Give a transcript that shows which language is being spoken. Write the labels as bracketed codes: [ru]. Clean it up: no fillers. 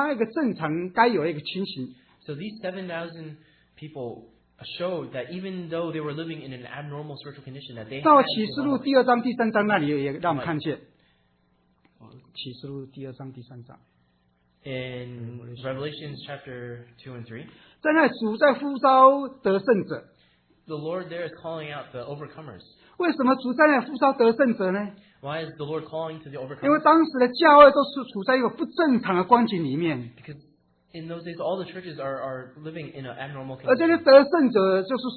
[zh] 所以这七千个人不是在这个不正常的环境里面属于的光景里面他显出他一个正常该有一个情形。 [en] So these 7,000 people showed that even though they were living in an abnormal spiritual condition that they had [zh] 到启示录第二章第三章那里也让我们看见启示录第二章第三章 [en] In Revelations chapter 2 and 3 [zh] 在那主在呼召得胜者 [en] The Lord there is calling out the overcomers [zh] 为什么主在那里呼召得胜者呢 [en] Why is the Lord calling to the overcomers? [zh] 因为当时的教会都是处在一个不正常的光景里面 [en] Because in those days all the churches are living in an abnormal condition